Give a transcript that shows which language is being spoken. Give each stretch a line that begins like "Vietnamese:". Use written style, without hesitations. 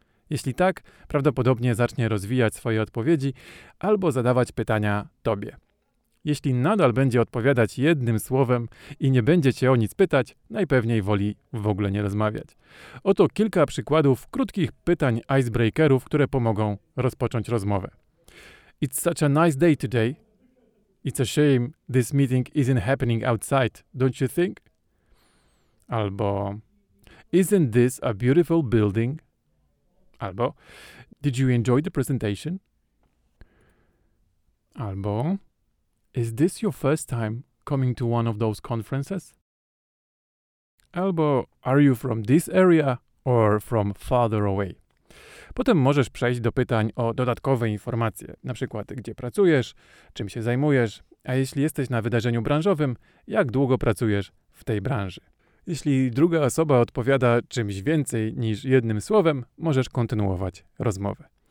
Polish: Jeśli tak, prawdopodobnie zacznie rozwijać swoje odpowiedzi albo zadawać pytania tobie. Jeśli nadal będzie odpowiadać jednym słowem i nie będzie cię o nic pytać, najpewniej woli w ogóle nie rozmawiać. Oto kilka przykładów krótkich pytań icebreakerów, które pomogą rozpocząć rozmowę.
English: It's such a nice day today. It's a shame this meeting isn't happening outside, don't you think?
Polish: Albo
English: Isn't this a beautiful building?
Polish: Albo
English: Did you enjoy the presentation?
Polish: Albo
English: Is this your first time coming to one of those conferences?
Polish: Albo
English: Are you from this area or from farther away?
Polish: Potem możesz przejść do pytań o dodatkowe informacje, na przykład gdzie pracujesz, czym się zajmujesz, a jeśli jesteś na wydarzeniu branżowym, jak długo pracujesz w tej branży. Jeśli druga osoba odpowiada czymś więcej niż jednym słowem, możesz kontynuować rozmowę.